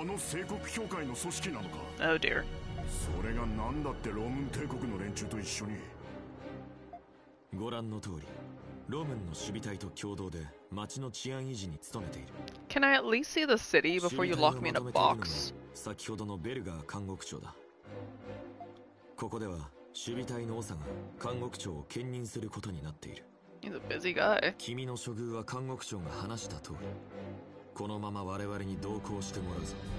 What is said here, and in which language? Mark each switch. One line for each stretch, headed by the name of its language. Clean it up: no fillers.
Japanese: あの聖国教会の組織なのか。
English: Oh dear.
Japanese: それが何だってローム帝国の連中と一緒に。ご覧の通り、ローマの守備隊と共同で町の治安維持に努めている。
English: Can I at least see the city before you lock me in a box?
Japanese: 先ほどのベルガー監獄長だ。ここでは守備隊の長が監獄長を兼任することになっている。
English: He's a busy guy.
Japanese: 君の処遇は監獄長が話した通り、このまま我々に同行してもらうぞ。